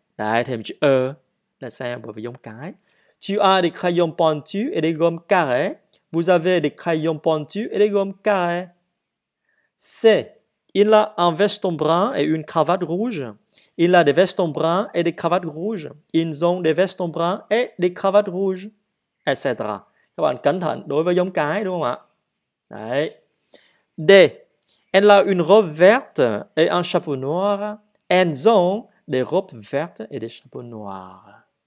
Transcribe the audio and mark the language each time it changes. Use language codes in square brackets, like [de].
[vi] Đấy, thêm chữ E là sao? Bởi vì giống cái. [fr] Tu as des crayons pointus et des gommes carrées. Vous avez des crayons pointus et des gommes carrées. C. Il a un veston brun et une cravate rouge. Il a des vestons bruns et des cravates rouges. Ils ont des vestons bruns et des cravates rouges. Etc. [vi] Các bạn cẩn thận đối với giống cái, đúng không ạ? Đấy. D. [fr] Elle a une robe verte et un chapeau noir. Elles ont des robes vertes et des chapeaux noirs.